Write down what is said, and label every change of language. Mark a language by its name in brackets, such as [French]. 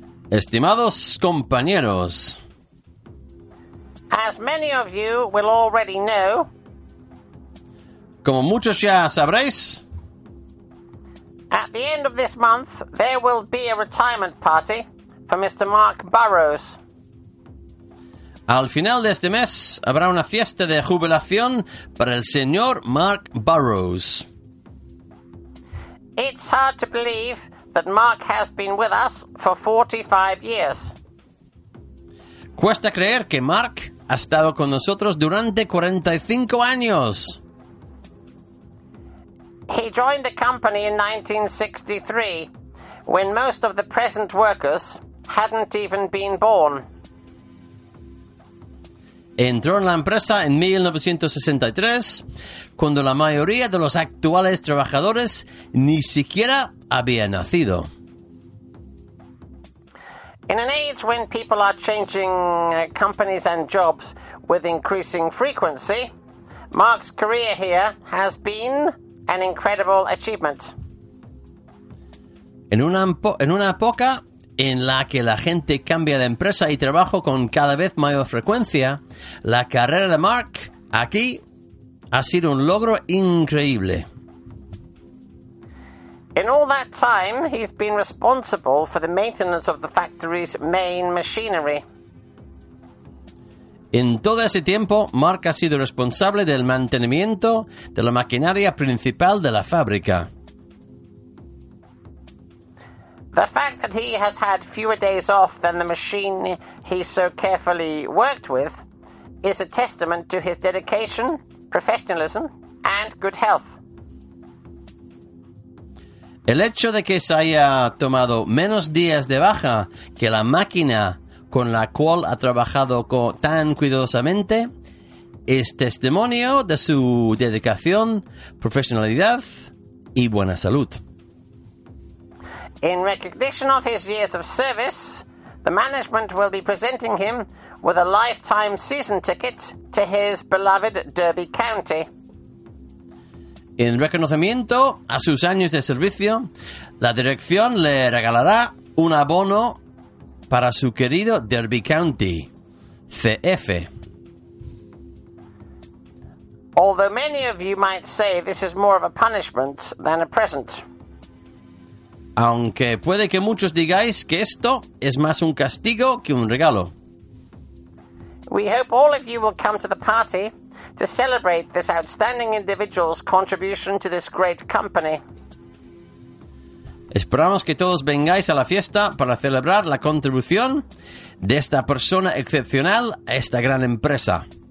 [Spanish] Estimados compañeros. [English] As many of you will already know. [Spanish] Como muchos ya sabréis. [English] At the end of this month, there will be a retirement party for Mr. Mark Burrows. [Spanish] Al final de este mes habrá una fiesta de jubilación para el señor Mark Burrows. [English] It's hard to believe that Mark has been with us for 45 years. [Spanish] Cuesta creer que Mark ha estado con nosotros durante 45 años. [English] He joined the company in 1963, when most of the present workers hadn't even been born. [Spanish] entró en la empresa en 1963, cuando la mayoría de los actuales trabajadores ni siquiera había nacido. [English] In an age when people are changing companies and jobs with increasing frequency, Mark's career here has been an incredible achievement. [Spanish] En una época en la que la gente cambia de empresa y trabajo con cada vez mayor frecuencia, la carrera de Mark aquí ha sido un logro increíble. [English] In all that time, he's been responsible for the maintenance of the factory's main machinery. [Spanish] En todo ese tiempo, Mark ha sido responsable del mantenimiento de la maquinaria principal de la fábrica. [English] The fact that he has had fewer days off than the machine he so carefully worked with is a testament to his dedication, professionalism, and good health. [Spanish] El hecho de que se haya tomado menos días de baja que la máquina con la cual ha trabajado tan cuidadosamente es testimonio de su dedicación, profesionalidad y buena salud. [English] In recognition of his years of service, the management will be presenting him with a lifetime season ticket to his beloved Derby County. [Spanish] En reconocimiento a sus años de servicio, la dirección le regalará un abono para su querido Derby County, CF. [English] Although many of you might say this is more of a punishment than a present. [Spanish] Aunque puede que muchos digáis que esto es más un castigo que un regalo. [English] We hope all of you will come to the party to celebrate this outstanding individual's contribution to this great company. [Spanish] Esperamos que todos vengáis a la fiesta para celebrar la contribución de esta persona excepcional a esta gran empresa.